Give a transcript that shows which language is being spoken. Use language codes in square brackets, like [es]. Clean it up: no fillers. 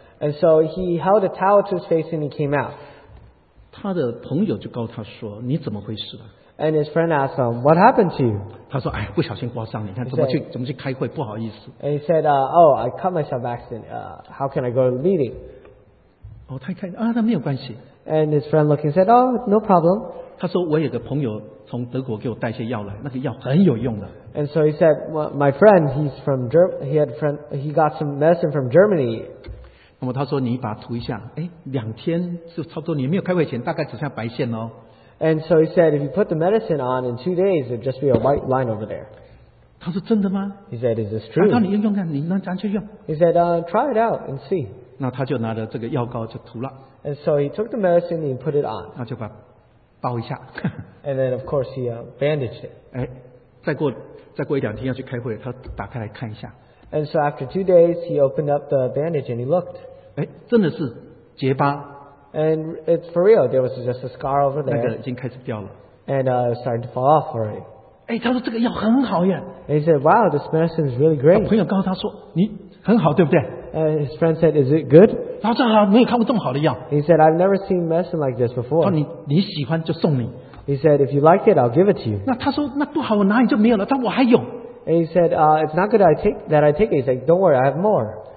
[en] And so he held a towel to his face and he came out. [zh] 他的朋友就告诉他说, 你怎么回事啊? [en] And his friend asked him, what happened to you? [zh] 他说, 哎, 不小心刮伤, 你看, 怎么去, 怎么去开会, 不好意思。 [en] And he said, oh, I cut myself by accident. How can I go to the meeting? [zh] 哦, 他看, 啊, 那没有关系。 [en] And his friend looked and said, oh, no problem. [zh] 他说, 我有个朋友, 从德国给我带些药来, 那个药很有用的。 [en] And so he said, well, my friend, he's from Germ- he had friend, he got some medicine from Germany. [zh] 那么他说你把它涂一下, 诶, 两天就差不多, 你没有开会前, 大概只剩下白线哦。 [en] And so he said, if you put the medicine on in 2 days, there'd just be a white line over there. [zh] 他说真的吗? [en] He said, is this true? [zh] 他说你用用看, 你能拿去用? [en] He said, try it out and see. [zh] 那他就拿着这个药膏就涂了。 [en] And so he took the medicine and he put it on. [zh] 那就把, 包一下。 [en] And then of course he bandaged it. [zh] 诶, 再过一两天要去开会, 他打开来看一下。 [en] And so after 2 days, he opened up the bandage and he looked. [zh] 诶, 真的是结疤。 [en] And it's for real. There was just a scar over there. [zh] 那个已经开始掉了。 [en] And it was starting to fall off already. [zh] 诶, 他说这个药很好耶。 [en] And he said, wow, this medicine is really great. [zh] 朋友告诉他说, 你很好对不对? [en] And his friend said, is it good? [zh] 他说好,没有看过这么好的药。 [en] He said, I've never seen medicine like this before. [zh] 他说你喜欢就送你。 [en] He said, if you like it, I'll give it to you. [zh] 那他说那不好,我哪里就没有了, 但我还有。 [en] And he said, it's not good that I take it. He said, don't worry, I have more.